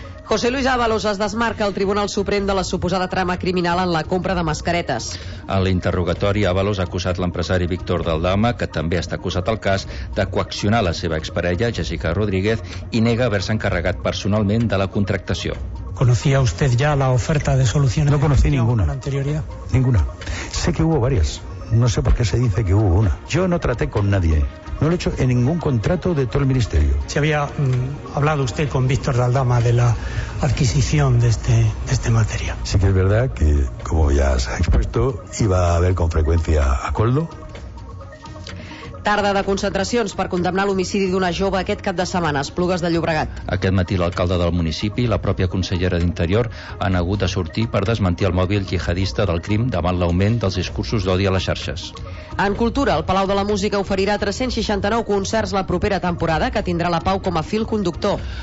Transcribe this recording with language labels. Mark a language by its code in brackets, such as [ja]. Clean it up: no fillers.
[ca] José Luis Ábalos es desmarca al Tribunal Suprem de la suposada trama criminal en la compra de mascaretes. A l'interrogatori, Ábalos ha acusat l'empresari Víctor Daldama, que també està acusat al cas, de coaccionar la seva exparella, Jessica Rodríguez, i nega haver-se encarregat personalment de la contractació. [es] ¿Conocía usted ya la oferta de solución? No conocí ninguna. ¿En anterioridad? Ninguna. Sé que hubo varias. No sé por qué se dice que hubo una. Yo no traté con nadie. No lo he hecho en ningún contrato de todo el ministerio. ¿Se había hablado usted con Víctor Daldama de la adquisición de este material? Sí que es verdad que, como ya se ha expuesto, iba a haber con frecuencia a Coldo. [ca] Tarda de concentracions per condemnar l'homicidi d'una jove aquest cap de setmana, Esplugues de Llobregat. Aquest matí l'alcalde del municipi i la pròpia consellera d'Interior han hagut de sortir per desmentir el mòbil jihadista del crim davant l'augment dels discursos d'odi a les xarxes. En cultura, el Palau de la Música oferirà 369 concerts la propera temporada, que tindrà la Pau com a fil conductor.